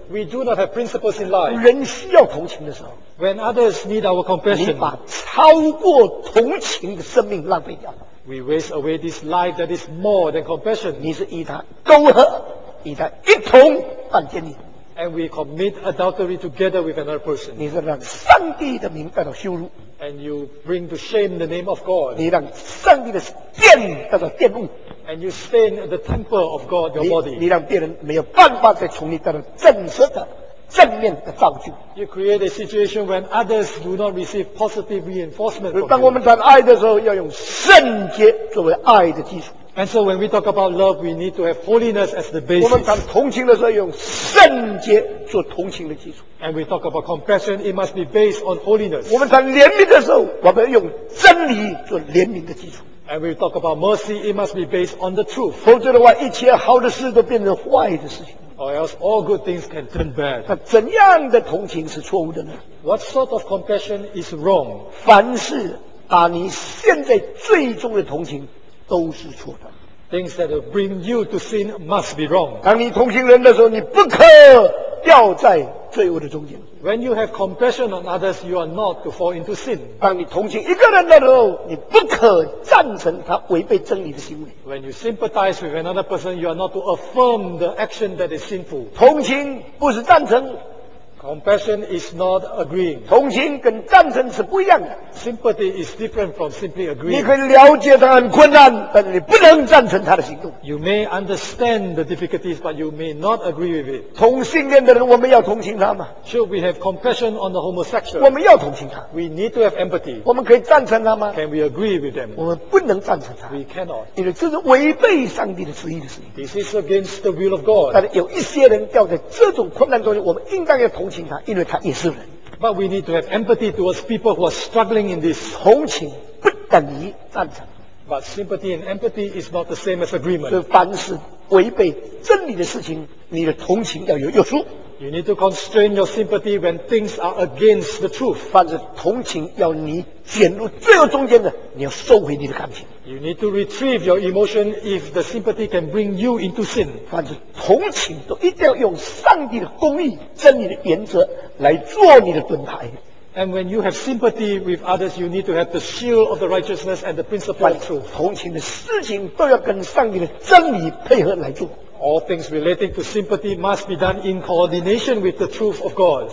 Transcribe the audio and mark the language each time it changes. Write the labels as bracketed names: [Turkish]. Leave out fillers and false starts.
[English] We do not have principles in life. [Chinese] 人需要同情的时候。 [English] When others need our compassion. [Chinese] 你把超过同情的生命浪费掉。 [English] We waste away this life that is more than compassion. [Chinese] 你是与他勾合，与他一同。犯奸淫 [English] ，and we commit adultery together with another person. [Chinese] 你是让上帝的名得到羞辱 [English] ，and you bring to shame the name of God. [Chinese] 你让上帝的殿得到玷污 [English] ，and you stain the temple of God, your body. [Chinese] 你让别人没有办法再从你得到正式的正面的造就。 [English] You create a situation when others do not receive positive reinforcement. [Chinese] 当我们谈爱的时候，要用圣洁作为爱的基础。 [English] And so when we talk about love, we need to have holiness as the basis. [Chinese] 我们谈同情的时候，用圣洁做同情的基础。 [English] And we talk about compassion, it must be based on holiness. [Chinese] 我们谈怜悯的时候，我们用真理做怜悯的基础。 [English] And we talk about mercy, it must be based on the truth. [Chinese] 否则的话，一切好的事都变成坏的事情。 [English] Or else all good things can turn bad. [Chinese] 那怎样的同情是错误的呢 [English] ？What sort of compassion is wrong? [Chinese] 凡是把你现在最终的同情。都是错的。 [English] Things that will bring you to sin must be wrong. [Chinese] 当你同情人的时候，你不可掉在罪恶的中间。 [English] When you have compassion on others, you are not to fall into sin. [Chinese] 当你同情一个人的时候，你不可赞成他违背真理的行为。 [English] When you sympathize with another person, you are not to affirm the action that is sinful. [Chinese] 同情不是赞成。 [English] Compassion is not agreeing. [Chinese] 同情跟赞成是不一样的。 [English] Sympathy is different from simply agreeing. [Chinese] 你可以了解他很困难，但你不能赞成他的行动。 [English] You may understand the difficulties, but you may not agree with it. [Chinese] 同性恋的人，我们要同情他吗 [English] ？Should we have compassion on the homosexual? [Chinese] 我们要同情他。 [English] We need to have empathy. [Chinese] 我们可以赞成他吗 [English] ？Can we agree with them? [Chinese] 我们不能赞成他。 [English] We cannot. [Chinese] 因为这是违背上帝的旨意的事情。 [English] This is against the will of God. [Chinese] 但是有一些人掉在这种困难中间，我们应当要同情。因为他也是人。 [English] But we need to have empathy towards people who are struggling in this. [Chinese] 同情不等于赞成。 [English] But sympathy and empathy is not the same as agreement. [Chinese] 所以凡是违背真理的事情，你的同情要有约束。 [English] You need to constrain your sympathy when things are against the truth. [Chinese] 凡是同情要你卷入罪恶中间的，你要收回你的感情。 [English] You need to retrieve your emotion if the sympathy can bring you into sin. [Chinese] 凡是同情都一定要用上帝的公义、真理的原则来做你的盾牌。 [English] And when you have sympathy with others, you need to have the shield of the righteousness and the principle of truth. [Chinese] 同情的事情都要跟上帝的真理配合来做。 [English] All things relating to sympathy must be done in coordination with the truth of God.